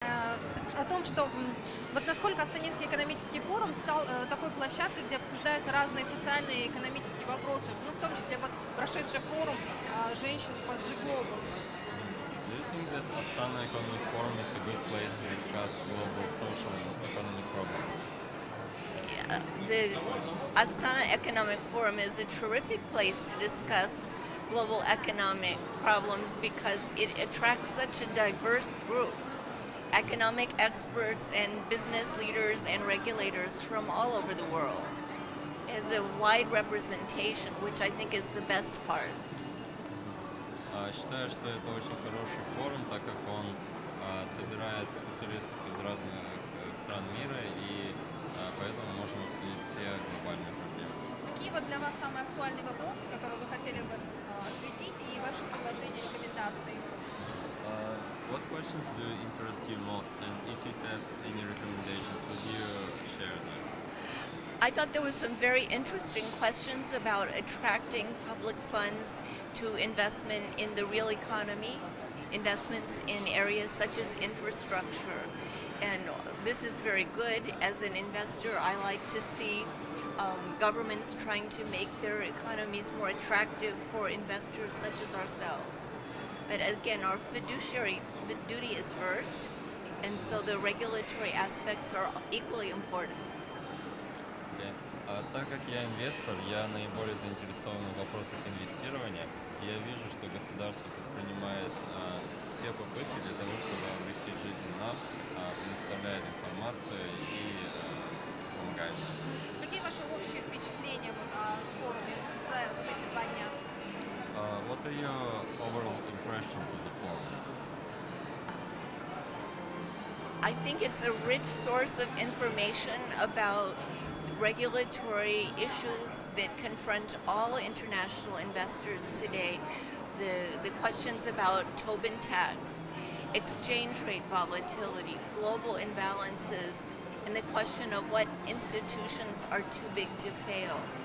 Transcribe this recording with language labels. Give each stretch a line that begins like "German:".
Russian: о том, что вот насколько Астанинский экономический форум стал такой площадкой, где обсуждаются разные социальные и экономические вопросы, ну, в том числе вот прошедший форум женщин по G-Global.
English: Do you think that Astana Economic Forum is a good place to discuss global social and economic problems? The Astana Economic Forum is a terrific place to discuss global economic problems because it attracts such a diverse group, economic experts and business leaders and regulators from all over the world. It has a wide representation, which I think is the best part.
Russian: Считаю, что это очень хороший форум, так как он собирает специалистов из разных стран мира, и поэтому можем обсудить все глобальные проблемы. Какие вот для вас самые актуальные вопросы, которые вы хотели бы осветить, и ваши предложения, рекомендации?
English: What questions do interest you most, and if you have any recommendations, would you share them? I thought there were some very interesting questions about attracting public funds to investment in the real economy, investments in areas such as infrastructure. And this is very good. As an investor, I like to see governments trying to make their economies more attractive for investors such as ourselves. But again, our fiduciary duty is first, and so the regulatory aspects are equally important.
Russian: Так как я инвестор, я наиболее заинтересован в вопросах инвестирования. Я вижу, что государство предпринимает все попытки для того, чтобы облегчить жизнь нам, предоставляет информацию и помогает нам. Какие ваши общие впечатления вот, о форуме за эти два дня?
English: What are your overall impressions of the forum? I think it's a rich source of information about regulatory issues that confront all international investors today, the questions about Tobin tax, exchange rate volatility, global imbalances, and the question of what institutions are too big to fail.